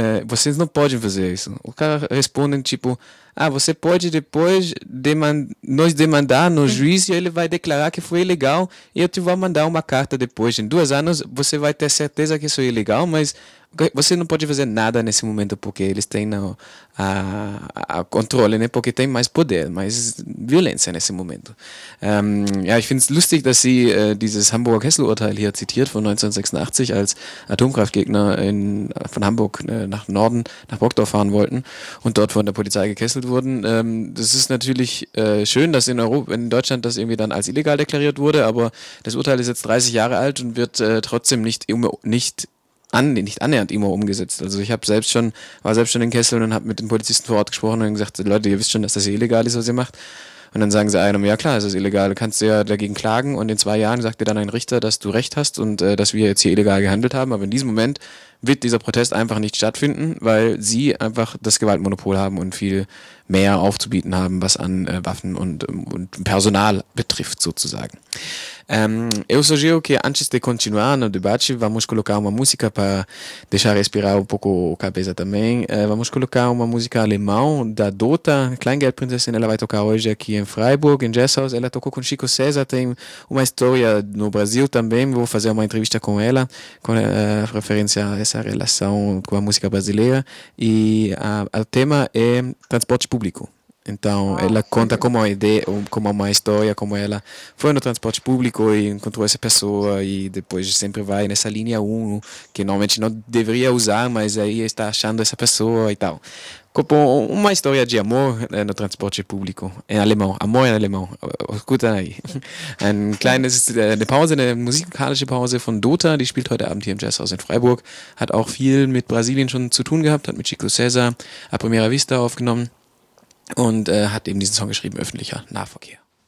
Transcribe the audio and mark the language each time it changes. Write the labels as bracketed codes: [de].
[pt] Vocês não podem fazer isso. O cara responde tipo... Ah, você pode depois nos demandar no juiz e ele vai declarar que foi ilegal. E eu te vou mandar uma carta depois. Em 2 anos você vai ter certeza que isso é ilegal, mas... Você não pode fazer nada nesse momento porque eles têm a controle, né? Porque tem mais poder, mais violência nesse momento. [de] Ja, ich finde es lustig, dass Sie dieses Hamburg-Hessel-Urteil hier zitiert von 1986, als Atomkraftgegner von Hamburg nach Norden, nach Brockdorf fahren wollten und dort von der Polizei gekesselt wurden. Das ist natürlich schön, dass in Deutschland das irgendwie dann als illegal deklariert wurde, aber das Urteil ist jetzt 30 Jahre alt und wird trotzdem nicht annähernd immer umgesetzt. Also ich habe selbst schon, war selbst schon in Kessel und habe mit den Polizisten vor Ort gesprochen und gesagt, Leute, ihr wisst schon, dass das illegal ist, was ihr macht. Und dann sagen sie einem, ja klar, es ist illegal, du kannst ja dagegen klagen und in 2 Jahren sagt dir dann ein Richter, dass du recht hast und dass wir jetzt hier illegal gehandelt haben. Aber in diesem Moment wird dieser Protest einfach nicht stattfinden, weil sie einfach das Gewaltmonopol haben und viel mehr aufzubieten haben, was an Waffen und Personal betrifft sozusagen. [pt] Eu sugiro che antes de continuar no debate, vamos colocar uma música para deixar respirar um pouco a cabeça também. Vamos colocar uma música alemã da Dota, Kleingeldprinzessin. Ela vai tocar hoje aqui em Freiburg, em Jazz House. Ela tocou com Chico César, tem uma história no Brasil também. Vou fazer uma entrevista com ela, com referência a essa relação com a música brasileira. E o tema é transporte público. Então, ela conta como uma ideia, como uma história, como ela foi no transporte público e encontrou essa pessoa e depois sempre vai nessa linha 1, que normalmente não deveria usar, mas aí está achando essa pessoa e tal. Como uma história de amor no transporte público, em alemão, amor em alemão, escuta aí. [de] Eine Pause, eine musikalische Pause von Dota, die spielt heute Abend hier im Jazzhaus in Freiburg, hat auch viel mit Brasilien schon zu tun gehabt, hat mit Chico César A Primera Vista aufgenommen. Und hat eben diesen Song geschrieben, öffentlicher Nahverkehr.